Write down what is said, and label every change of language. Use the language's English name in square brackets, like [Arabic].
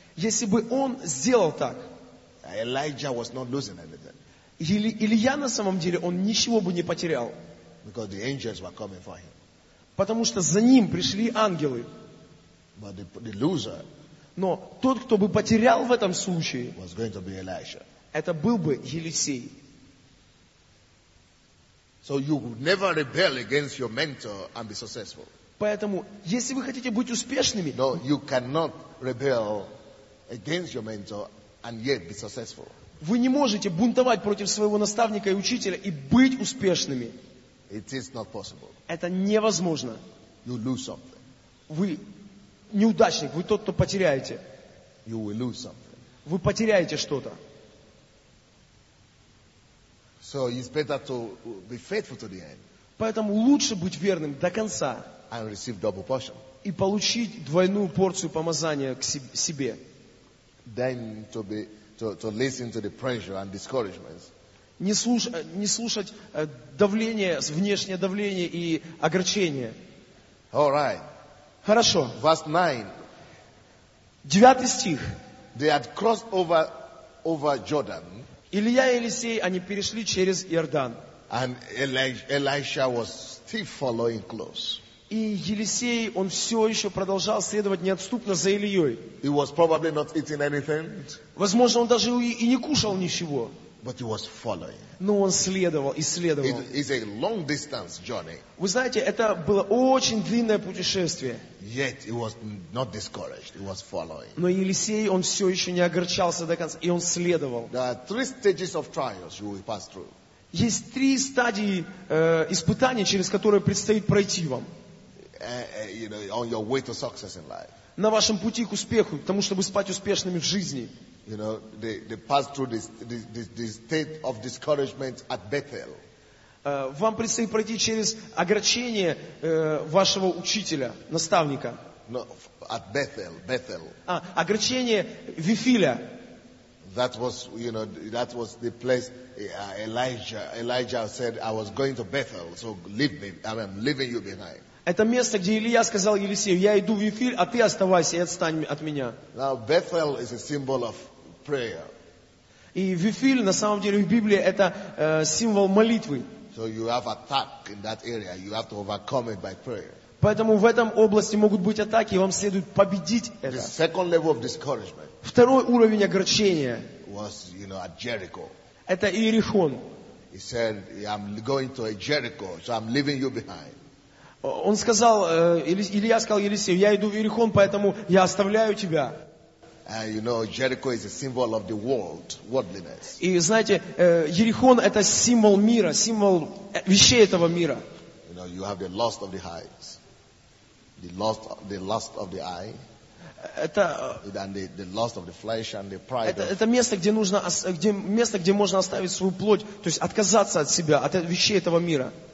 [Russian] если бы он сделал так, [English] Elijah was not losing anything. [Russian] Илия на самом деле, он ничего бы не потерял. [English] Because the angels were coming for him. [Russian] Потому что за ним пришли ангелы. [English] But the loser, [Russian] но тот, кто бы потерял в этом случае, [English] was going to be Elijah. [Russian] Это был бы Елисей. [English] So you never rebel against your mentor and be successful. [Russian] Поэтому, если вы хотите быть успешными, [English] no, you cannot rebel against your mentor and yet be successful. [Russian] Вы не можете бунтовать против своего наставника и учителя и быть успешными. [English] It is not possible. [Russian] Это невозможно. [English] You lose something. [Russian] Вы неудачник, вы тот, кто потеряете. [English] You will lose something. [Russian] Вы потеряете что-то. [English] So it's better to be faithful to the end. [Russian] Поэтому лучше быть верным до конца. [English] And receive double portion. [Russian] И получить двойную порцию помазания к себе. [English] Then to listen to the pressure and discouragements. [Russian] Не слушать давление, внешнее давление и огорчение. [English] All right. [Russian] Хорошо. [English] Verse 9. [Russian] 9 стих. [English] They had crossed over Jordan. [Russian] Илия и Елисей, они перешли через Иордан. [English] And Elisha was still following close. [Russian] И Елисей, он все еще продолжал следовать неотступно за Илией. [English] He was probably not eating anything. [Russian] Возможно, он даже и не кушал ничего. [English] But he was following. [Russian] Но он следовал и следовал. [English] It is a long distance journey. [Russian] Вы знаете, это было очень длинное путешествие. [English] Yet he was not discouraged. He was following. [Russian] Но Елисей, он все еще не огорчался до конца, и он следовал. [English] There are three stages of trials you will pass through. [Russian] Есть три стадии испытаний, через которые предстоит пройти вам. [English] You know, on your way to success in life. [Russian] На вашем пути к успеху, к тому, чтобы стать успешными в жизни. [English] You know, they pass through this state of discouragement at Bethel. [Russian] Вам предстоит пройти через огорчение вашего учителя, наставника. [English] No, at Bethel. [Russian] Огорчение Вифиля. [English] That was, you know, that was the place Elijah said, I was going to Bethel, so leave me, I'm leaving you behind. [Russian] Это место, где Илия сказал Елисею, я иду в Вифиль, а ты оставайся и отстань от меня. [English] Now, Bethel is a symbol of prayer. [Russian] И Вифиль, на самом деле, в Библии, это символ молитвы. [English] So you have attack in that area, you have to overcome it by prayer. [Russian] Поэтому в этом области могут быть атаки, и вам следует победить это. [English] The second level of discouragement. [Russian] Второй уровень огорчения. [English] Was, you know, at Jericho. [Russian] Это Иерихон. [English] He said, I'm going to Jericho, so I'm leaving you behind. [Russian] Он сказал, Илия сказал Елисею, я иду в Иерихон, поэтому я оставляю тебя. [English] You know, Jericho is a symbol of the world, worldliness. [Russian] И знаете, Иерихон это символ мира, символ вещей этого мира. [English] You know, you have the lust of the eyes, the lust of the eye. [Russian] Это [English] and the lust of the flesh and the pride. [Russian] Это место, где нужно, где место, где можно оставить свою плоть, то есть отказаться от себя, от вещей этого мира.